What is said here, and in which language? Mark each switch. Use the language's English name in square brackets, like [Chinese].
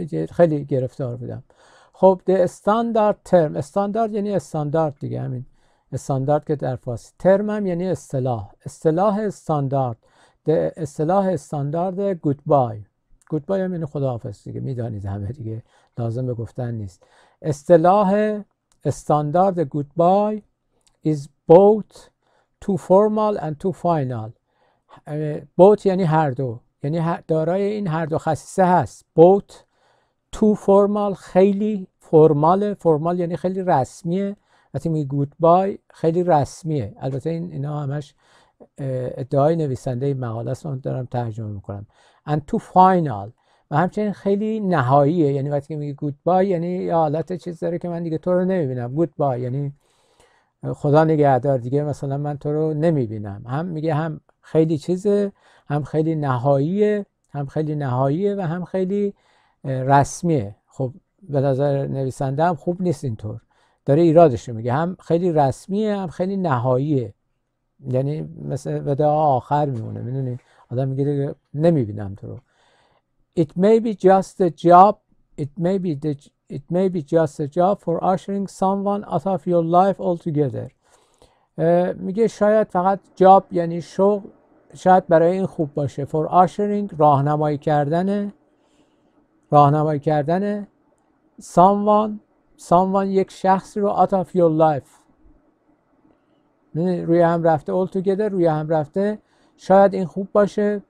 [Persian] خیلی گرفتار بودم. خب [English] the standard term، [Persian] استاندارد یعنی استاندارد دیگه، همین استاندارد که در فارسی، ترم هم یعنی اصطلاح، اصطلاح استاندارد، the اصطلاح استاندارد goodbye، goodbye هم یعنی خداحافظ دیگه، میدانید همه دیگه، لازم به گفتن نیست. اصطلاح استاندارد [English] goodbye is both too formal and too final. [Persian] Both یعنی هر دو، یعنی دارای این هر دو خصیصه هست. [English] Both too formal، [Persian] خیلی فرماله، فرمال یعنی خیلی رسمیه، وقتی میگه goodbye خیلی رسمیه. البته اینا همش ادعای نویسنده این مقاله است، من دارم ترجمه میکنم. [English] And too final، [Persian] و همچنین خیلی نهاییه، یعنی وقتی میگه goodbye یعنی یه حالت چیز داره که من دیگه تو رو نمیبینم. goodbye یعنی خدا نگهدار، دیگه مثلا من تو رو نمیبینم. هم میگه هم خیلی چیزه، هم خیلی نهاییه، هم خیلی نهاییه و هم خیلی رسمیه. خب به نظر نویسنده هم خوب نیست اینطور، داره ایرادش رو میگه، هم خیلی رسمیه هم خیلی نهاییه، یعنی مثل وداع آخر میمونه، میدونی آدم میگه نمیبینم تو رو. [English] It may be just a job, it may be just a job for ushering someone out of your life altogether. [Persian] میگه شاید فقط جاب یعنی شغل، شاید برای این خوب باشه، [English] for ushering [Persian] راهنمایی کردن، راهنمایی کردن someone یک شخص رو [English] out of your life، [Persian] روی هم رفته، altogether روی هم رفته، شاید این خوب باشه.